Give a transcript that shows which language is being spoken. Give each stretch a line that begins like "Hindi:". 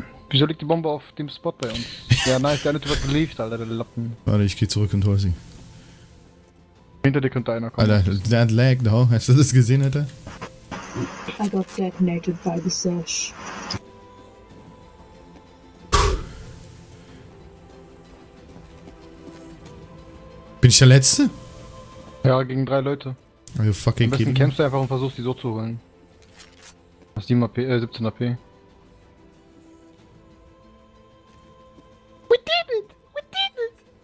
German: Wieso liegt die Bombe auf dem Spot bei uns? Ja, nice, der eine Typ hat geliefert, Alter, der Lappen. Warte, ich geh zurück und hol sie. Hinter dir könnte einer kommen.
English: Alter, that lag, da, no?
German: Hast du das gesehen, Alter?
English: I got detonated by the Sesh.
German: Bin ich der Letzte? Ja, gegen drei Leute.
English: Are you fucking kidding?
German: Am besten kämpfst du einfach und versuchst, die so zu holen. 7 AP, 17 AP.
English: We did it! We did it!